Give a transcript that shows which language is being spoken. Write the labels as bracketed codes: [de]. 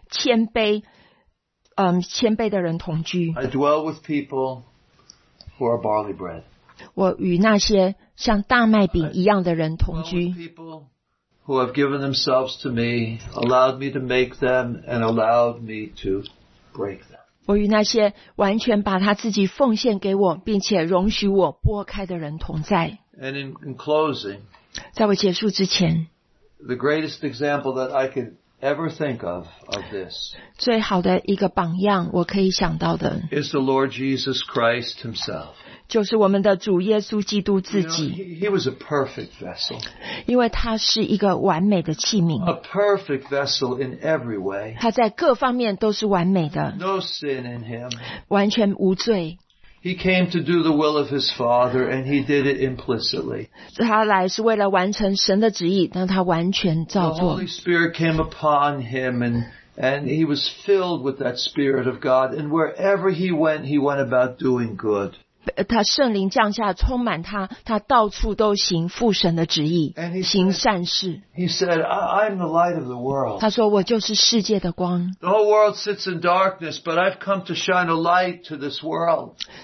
[zh] 但是在回天家之前，我在地上，我要与那些心灵痛悔、谦卑的人同居。 [en] I dwell with people who are barley bread. [zh] 我与那些 像大麦饼一样的人同居。 [en] People who have given themselves to me, allowed me to make them, and allowed me to break them. [zh] 我与那些完全把他自己奉献给我，并且容许我拨开的人同在。 [en] And in closing, [zh] 在我结束之前, [en] the greatest example that I could ever think of this, [zh] 最好的一个榜样我可以想到的, [en] is the Lord Jesus Christ himself. [zh] 就是我们的主耶稣基督自己。 [en] You know, he was a perfect vessel. [zh] 因为他是一个完美的器皿。 [en] A perfect vessel in every way. [zh] 他在各方面都是完美的。 [en] No sin in him. [zh] 完全无罪。 [en] He came to do the will of his Father, and he did it implicitly. [zh] 他来是为了完成神的旨意，但他完全照做。 [en] The Holy Spirit came upon him, and he was filled with that Spirit of God, and wherever he went about doing good. [zh] 他圣灵降下充满他，他到处都行父神的旨意，行善事。 [en] He said, I'm the light of the world. [zh] 他说，我就是世界的光。 [en] The whole world sits in darkness, but I've come to shine a light to this world.